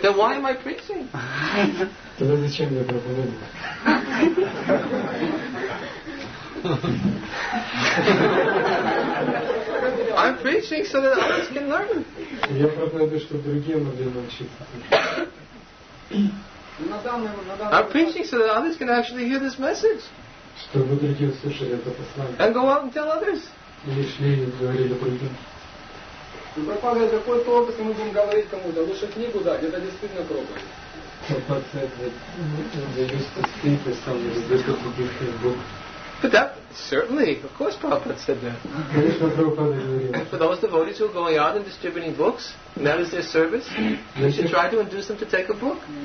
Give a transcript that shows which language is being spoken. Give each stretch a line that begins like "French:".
English: Then why am I preaching?
Russian: Тогда зачем я проповедую?
English: I'm preaching so that others can learn.
Russian: Я проповедую, чтобы другие могли научиться.
English: I'm preaching so that others can actually hear this message.
Russian: Чтобы другие услышали это послание.
English: And go out and tell others.
Russian: И шли и говорили другим. Пропаганда такой толпы, мы будем говорить кому-то. Лучше книгу дать, это действительно проповедь.
English: But that, certainly, of course Prabhupada said that. For those devotees who are going out and distributing books, and that is their service, you should try to induce them to take a book.